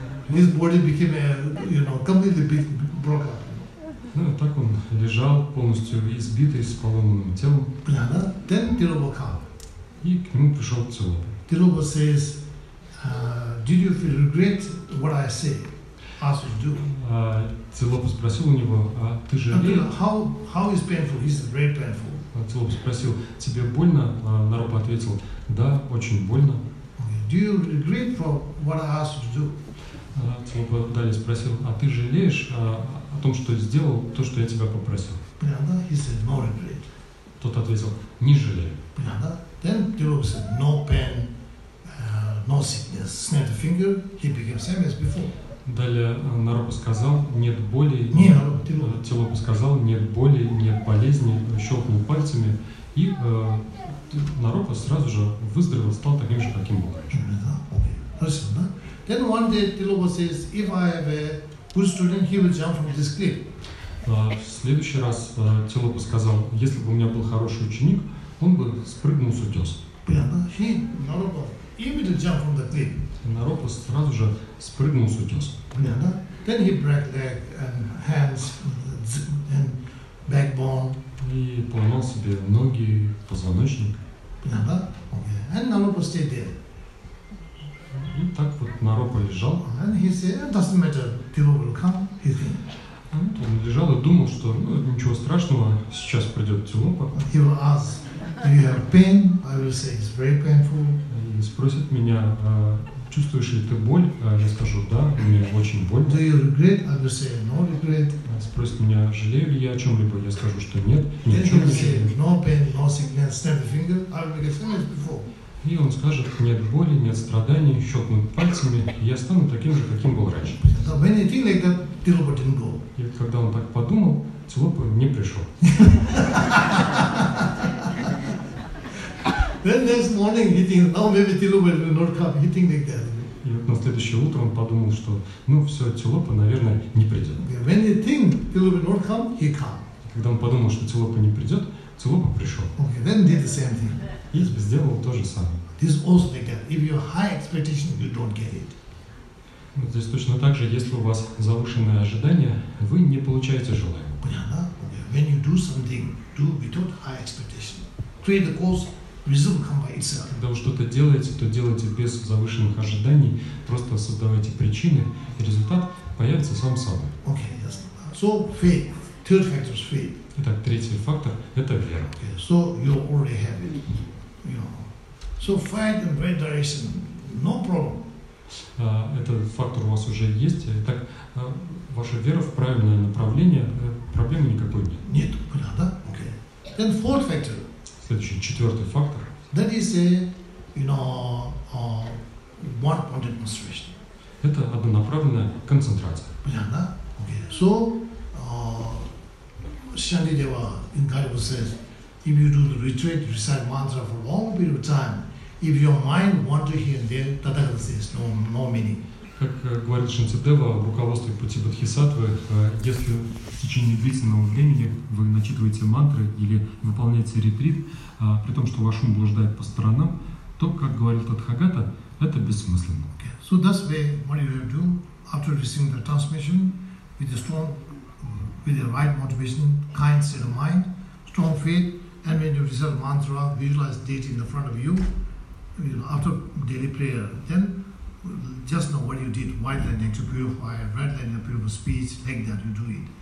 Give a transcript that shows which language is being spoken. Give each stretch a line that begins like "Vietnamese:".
English: His body became, you know, completely broke up.
Russian: Ну, так он лежал полностью избитый, с поломанным телом. Да, да?
English: Then Тилупа came.
Russian: И к нему пришел Тилупа.
English: Тилупа says, did you feel regret what I say? As you do.
Russian: Тилупа спросил у него, а ты жалеешь?
English: How is painful? He's very painful.
Russian: Тилупа спросил, тебе больно? Наропа ответил, да, очень больно.
English: Okay. Do you regret for what I asked you to do?
Russian: Тилупа далее спросил, а ты жалеешь о том, что сделал то, что я тебя попросил? Понятно?
English: He said, no regret.
Russian: Тот ответил, не жалею. Понятно?
English: Then Тилупа said, no pain. No sickness. Snap the finger. He became same as before.
Russian: Далее Наропа сказал, нет боли. Не, Тилупа сказал, нет боли, нет болезни. Щелкнул пальцами и Наропа сразу же выздоровел, стал таким же, каким был раньше. Хорошо, да?
English: Then one day Тилупа says, if I have a good student, he will jump from this cliff.
Russian: В следующий раз Тилупа сказал, если бы у меня был хороший ученик, он бы спрыгнул с утеса. Понятно?
English: He, Наропа. Immediately jump from the cliff.
Russian: Наропа сразу же спрыгнул с утеса. Понятно?
English: Then he break leg and hands and backbone.
Russian: И поломал себе ноги, позвоночник. Понятно?
English: Okay. And Наропа stayed there.
Russian: И так вот Наропа лежал.
English: And he said, it doesn't matter, Тилупа will come. He said.
Russian: Вот он лежал и думал, что ну, ничего страшного, сейчас придет Тилупа.
English: He will ask, do you have pain? I will say, it's very painful.
Russian: Спросит меня, чувствуешь ли ты боль? Я скажу, да, мне очень больно.
English: Do you regret? I will say, no regret.
Russian: Спросит меня, жалею ли я о чем-либо? Я скажу, что нет.
English: No pain, no sickness, snap the finger. I will get famous before.
Russian: И он скажет, нет боли, нет страданий, щелкнут пальцами, и я стану таким же, каким был раньше.
English: When you think like that, Тилупа didn't go.
Russian: И когда он так подумал, Тилупа не пришел.
English: Then next morning he thinks, now maybe Тилупа will not come. He thinks like that.
Russian: И вот на следующее утро он подумал, что, ну все, Тилупа, наверное, не придет.
English: Okay. When you think Тилупа will not come, he come.
Russian: И когда он подумал, что Тилупа не придет, Тилупа пришел.
English: Okay. Then did the same thing.
Russian: И сделал то же самое.
English: This also like that. If you have high expectation, you don't get it.
Russian: Вот здесь точно так же, если у вас завышенные ожидания, вы не получаете желаемого. Понятно?
English: Okay. When you do something, do without high expectation. Create the cause.
Russian: Когда вы что-то делаете, то делайте без завышенных ожиданий, просто создавайте причины, и результат появится сам собой.
English: Okay, yes. So faith. Third factor is faith.
Russian: Итак, третий фактор – это вера.
English: Okay, so you already have it. You know. So faith and right direction, no problem.
Russian: Этот фактор у вас уже есть. Итак, ваша вера в правильное направление, проблемы никакой нет. Нет, да?
English: Okay. Then fourth factor.
Russian: Следующий, четвертый фактор.
English: That is a, you know, one-pointed concentration.
Russian: Это однонаправленная концентрация. Понятно?
English: Okay. So, Шандидева in Gaudiya says, if you do the retreat, recite mantra for a long period of time, if your mind wanders here and there, Tathagata says, no meaning.
Russian: Как говорит Шантидева в руководстве пути Бодхисаттвы, если в течение длительного времени вы начитываете мантры или выполняете ретрит, при том, что ваш ум блуждает по сторонам, то, как говорит Тадхагата, это бессмысленно.
English: Okay. So that's why what you have to do after receiving the transmission, with a strong, with the right motivation, kind set of mind, strong faith, and when you recite mantra, visualize deity in the front of you, you know, after daily prayer, then just know what you did, white lightning to purify, red lightning to purify speech, like that you do it.